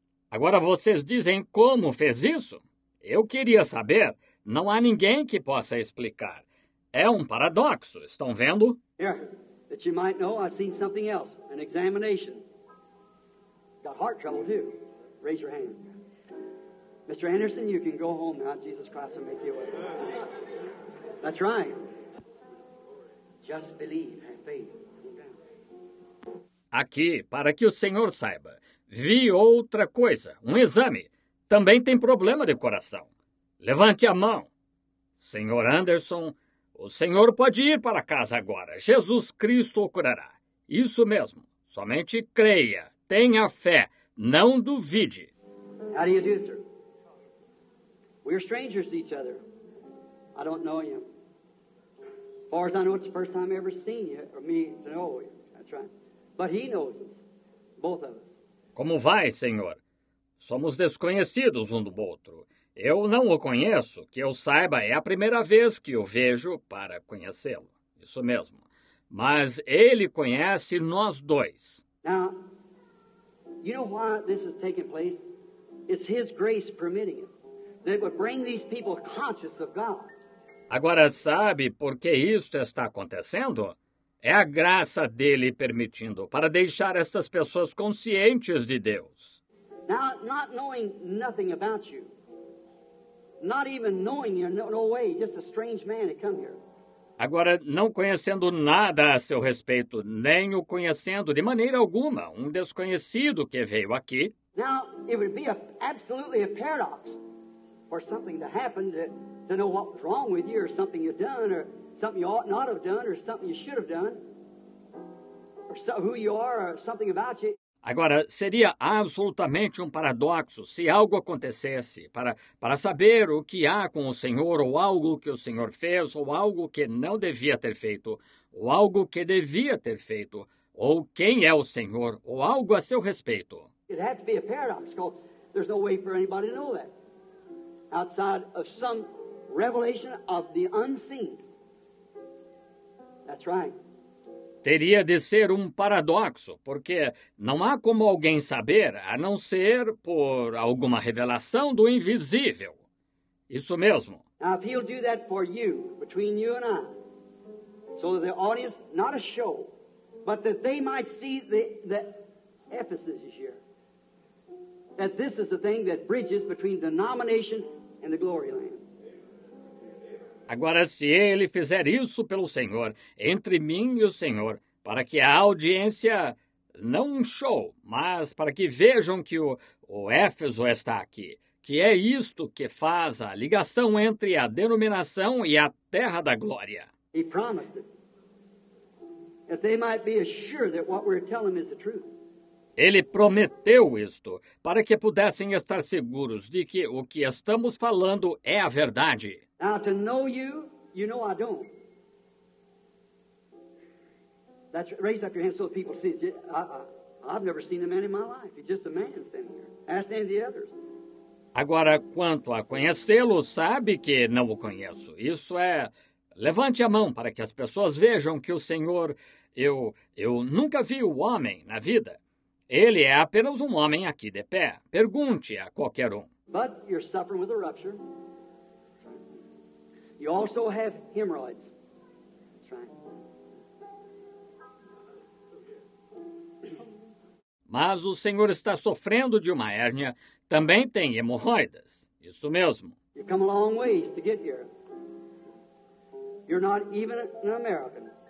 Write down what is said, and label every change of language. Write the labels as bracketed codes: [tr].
[pt] Agora vocês dizem como fez isso? Eu queria saber. Não há ninguém que possa explicar. É um paradoxo. Estão vendo? [en] Here. That you might know, I've seen something else. An examination. Got heart trouble too. Raise your hand. Mr. Anderson, you can go home now. Jesus Christ will make you well. That's right. Just believe, have faith. [pt] Aqui, para que o senhor saiba, vi outra coisa, um exame. Também tem problema de coração. Levante a mão. Senhor Anderson, o senhor pode ir para casa agora. Jesus Cristo o curará. Isso mesmo. Somente creia, tenha fé, não duvide. [en] How do you do, sir? We're strangers to each other. I don't know you. As far as I know, it's the first time I've ever seen you, or me to know you. That's right. But he knows us, both of us. [pt] Como vai, senhor? Somos desconhecidos um do outro. Eu não o conheço. Que eu saiba, é a primeira vez que o vejo para conhecê-lo. Isso mesmo. Mas ele conhece nós dois. [en] Now, you know why this is taking place? It's his grace permitting it. That would bring these people conscious of God. [pt] Agora sabe por que isto está acontecendo? É a graça dele permitindo, para deixar essas pessoas conscientes de Deus. [en] Now, not knowing nothing about you, not even knowing you, no way, just a strange man to come here. [pt] Agora, não conhecendo nada a seu respeito, nem o conhecendo de maneira alguma, um desconhecido que veio aqui. [en] Now, it would be absolutely a paradox for something to happen to know what's wrong with you, or something you've done, or something you ought not have done, or something you should have done, or so, who you are, or something about you. [pt] Agora, seria absolutamente um paradoxo se algo acontecesse para saber o que há com o Senhor, ou algo que o Senhor fez, ou algo que não devia ter feito, ou algo que devia ter feito, ou quem é o Senhor, ou algo a seu respeito. [en] It has to be a paradox, because there's no way for anybody to know that outside of some revelation of the unseen. That's right. [pt] Teria de ser um paradoxo, porque não há como alguém saber, a não ser por alguma revelação do invisível. Isso mesmo. [en] Now, if he'll do that for you, between you and I, so that the audience, not a show, but that they might see the Ephesus is here, that this is the thing that bridges between the denomination and the glory land. [pt] Agora, se ele fizer isso pelo Senhor, entre mim e o Senhor, para que a audiência, não um show, mas para que vejam que o Éfeso está aqui, que é isto que faz a ligação entre a denominação e a terra da glória. [en] He promised it, that they might be assured that what we're telling them is the truth. [pt] Ele prometeu isto para que pudessem estar seguros de que o que estamos falando é a verdade. [en] Now, to know you, you know I don't. That's, raise up your hand so people see. I've never seen a man in my life. He's just a man standing here. Ask any of the others. [pt] Agora, quanto a conhecê-lo, sabe que não o conheço. Isso é, levante a mão para que as pessoas vejam que o Senhor, eu nunca vi o homem na vida. Ele é apenas um homem aqui de pé. Pergunte a qualquer um. [en] But you're suffering with a rupture. You also have hemorrhoids. That's right. [pt] Mas o senhor está sofrendo de uma hérnia. Também tem hemorroidas. Isso mesmo. [en] You've come a long ways to get here. You're not even an American.